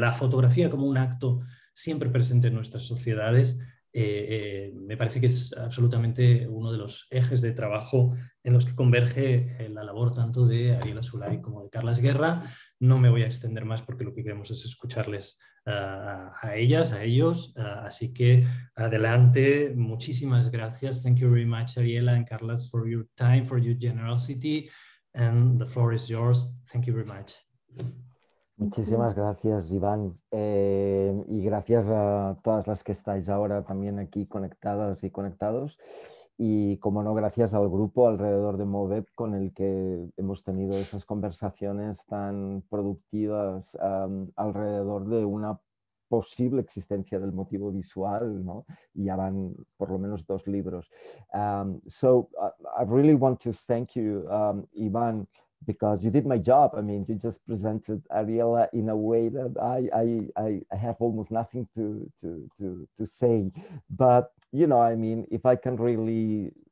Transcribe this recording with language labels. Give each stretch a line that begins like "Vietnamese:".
Spanish: La fotografía como un acto siempre presente en nuestras sociedades me parece que es absolutamente uno de los ejes de trabajo en los que converge la labor tanto de Ariella Azoulay como de Carles Guerra. No me voy a extender más porque lo que queremos es escucharles a ellas, a ellos. Así que adelante. Muchísimas gracias.
English: Thank you very much, Ariella and Carles, for your time, for your generosity. And the floor is yours. Thank you very much.
Spanish: Muchísimas gracias, Iván. Y gracias a todas las que estáis ahora también aquí conectadas y conectados. Y como no, gracias al grupo alrededor de Movep con el que hemos tenido esas conversaciones tan productivas alrededor de una posible existencia del motivo visual, ¿no? Ya van por lo menos dos libros.
English: I really want to thank you, Iván, because you did my job. I mean, you just presented Ariella in a way that I have almost nothing to say, but you know, I mean, if I can really